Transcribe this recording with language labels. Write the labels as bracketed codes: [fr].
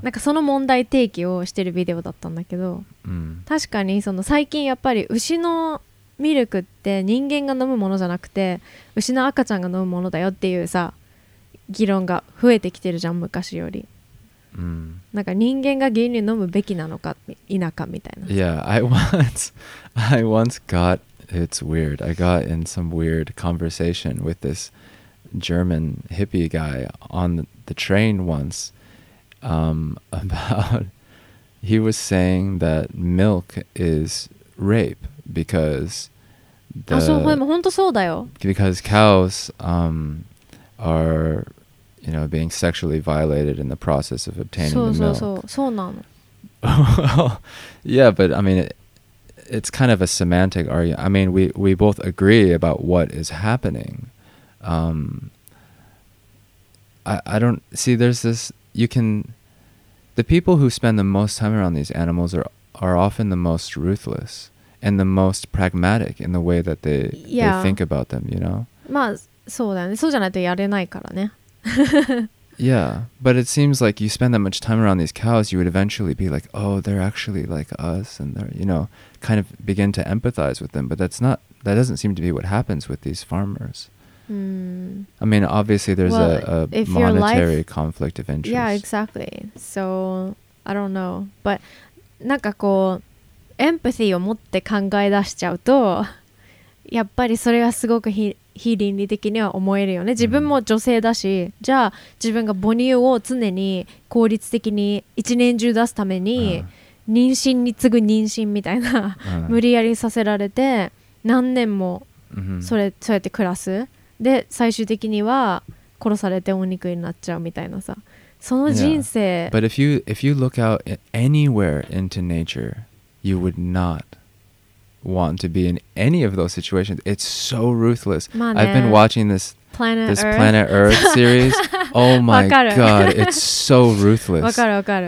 [ja] なんかその問題提起をしてるビデオだったんだけど、確かにその最近やっぱり牛のミルクって人間が飲むものじゃなくて牛の赤ちゃんが飲むものだよっていうさ議論が増えてきてるじゃん昔より、なんか人間が牛乳飲むべきなのか否かみたいな。 [en] Yeah, I once got, it's weird, I got in some weird conversation with this German hippie guy on the train onceAbout, he was saying that milk is rape because cows are, you know, being sexually violated in the process of obtaining the milk. [ja] そうなの。 [en] Yeah, but I mean, it's kind of a semantic argument. I mean, we both agree about what is happening. I don't see, there's this, you can. The people who spend the most time around these animals are often the most ruthless and the most pragmatic in the way that they, yeah. they think about them, you know? [ja] まあ、そうだね。そうじゃないとやれないからね。 [en] Yeah, but it seems like you spend that much time around these cows, you would eventually be like, oh, they're actually like us, and they're, you know, kind of begin to empathize with them. But that's not, that doesn't seem to be what happens with these farmers. I mean, obviously, there's a monetary conflict of interest. Yeah, exactly. So, I don't know. But, [ja] なんかこう、empathy を持って考え出しちゃうと、やっぱりそれはすごく非倫理的には思えるよね。自分も女性だし、じゃあ自分が母乳を常に効率的に一年中出すために、妊娠に次ぐ妊娠みたいな、無理やりさせられて、何年もそうやって暮らす。で最終的には殺されてお肉になっちゃうみたいなさ、その人生。 [en] Yeah. But if you look out anywhere into nature, you would not want to be in any of those situations. It's so ruthless. [ja] まあね、 [en] I've been watching this Planet Earth series. Oh my god, it's so ruthless. [ja] わかるわかる。